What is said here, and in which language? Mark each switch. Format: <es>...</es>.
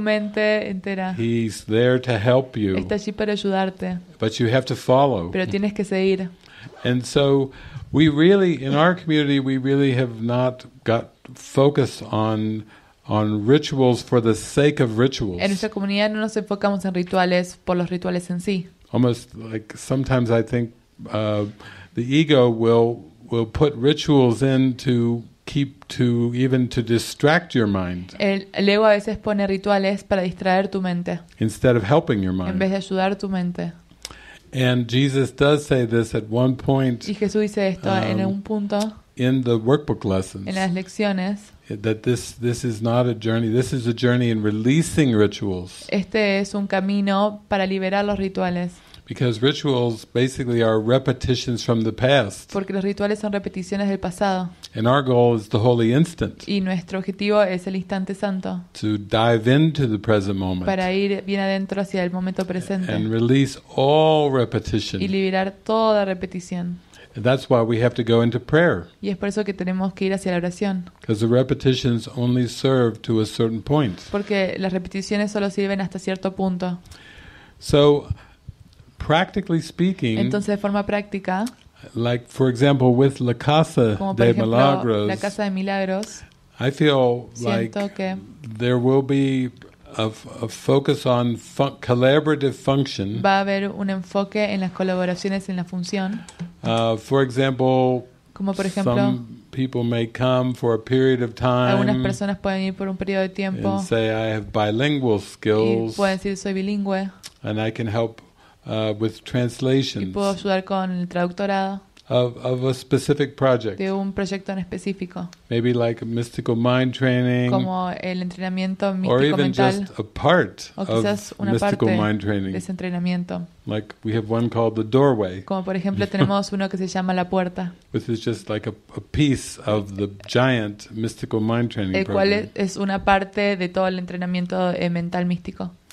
<es>Mente entera.</es> <en>He's there to help you.</en> <es>Está allí para ayudarte.</es> <en>But you have to follow.</en> <es>Pero tienes que seguir.</es> <en>And so we really in our community we really have not got focused on rituals for the sake of rituals.</en> <es>En nuestra comunidad no nos enfocamos en rituales por los rituales en sí.</es> <en>almost like sometimes I think the ego will put rituals in to keep to even to distract your mind.</en> <es>El ego a veces pone rituales para distraer tu mente.</es> <en>Instead of helping your mind.</en> <es>En vez de ayudar tu mente.</es> <en>And Jesus does say this at one point.</en> <es>Y Jesús dice esto en un punto.</es> <en>In the workbook lessons.</en> <es>En las lecciones.</es> <en>That this is not a journey. This is a journey in releasing rituals.</en> <es>Este es un camino para liberar los rituales.</es> <en>Because rituals basically are repetitions from the past.</en> <es>Porque los rituales son repeticiones del pasado.</es> <en>And our goal is the holy instant.</en> <es>Y nuestro objetivo es el instante santo.</es> <en>To dive into the present moment.</en> <es>Para ir bien adentro hacia el momento presente.</es> <en>And release all repetition.</en> <es>Y liberar toda repetición.</es> <en>And that's why we have to go into prayer.</en> <es>Y es por eso que tenemos que ir hacia la oración.</es> <en>Because the repetitions only serve to a certain point.</en> <es>Porque las repeticiones solo sirven hasta cierto punto.</es> <en>So, practically speaking,</en> <es>entonces, de forma práctica,</es> <en>like for example with la casa de milagros,</en> <es>la casa de milagros,</es> <en>I feel like there will be a focus on collaborative function.</en> <es>Va a haber un enfoque en las colaboraciones en la función.</es> <en>For example,</en> <es>como por ejemplo,</es> <en>some people may come for a period of time.</en> <es>Algunas personas pueden ir por un periodo de tiempo.</es> <en>And say I have bilingual skills.</en> <es>Y pueden decir soy bilingüe.</es> <en>And I can help with translations.</en> <es>Y puedo ayudar con el traductorado.</es> <en>Of a specific project.</en> <es>De un proyecto en específico.</es> <en>Maybe like a mystical mind training.</en> <es>Como el entrenamiento místico mental.</es> <en>Or even just a part of mystical mind training.</en> <es>De ese entrenamiento.</es> <en>Like we have one called the doorway.</en> <es>Como por ejemplo tenemos uno que se llama la puerta.</es> <en>Which is just like a piece of the giant mystical mind training program.</en> <es>El cual es una parte de todo el entrenamiento mental místico.</es>